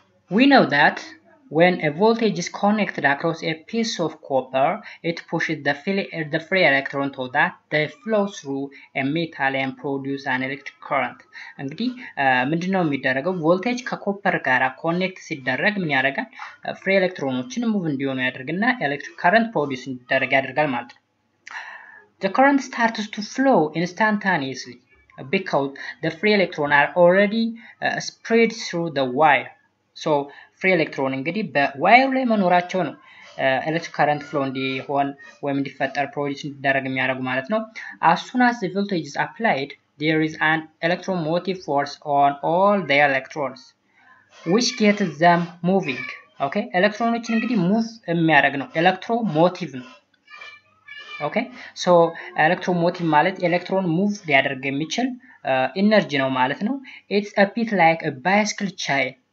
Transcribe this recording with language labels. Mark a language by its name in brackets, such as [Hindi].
[English] We know that when a voltage is connected across a piece of copper, it pushes the free electron to that they flow through a metal and produce an electric current. [Amharic] እንግዲህ ምንድነው የሚደረገው? ቮልቴጅ ከኮፐር ጋር ኮኔክት ሲደረግ ምን ያደርጋል? ፍሪ ኤሌክትሮኖችን ሙቭ እንዲሆኑ ያደርግና ኤሌክትሪክ ካረንት ፕሮዲዩስ እንዲደረግ ያደርጋል ማለት ነው። [English] The current starts to flow instantaneously because the free electrons are already spread through the wire. [Amharic] So free electron እንግዲህ በዋየር ላይ መኖራቸው ነው electric current flow እንዲሆን ወይም እንዲፈጠር produce እንዲደረግ የሚያደርጉ ማለት ነው። [English] As soon as the voltage is applied, there is an electromotive force on all the electrons which gets them moving. Okay? [Amharic] ኤሌክትሮኖችን እንግዲህ ሙቭ የሚያደርግ ነው electromotive ነው። [English] Okay? [Amharic] So electromotive ማለት electron move ሊያደርግ የሚችል energy ነው ማለት ነው። [English] It's a bit like a bicycle chain.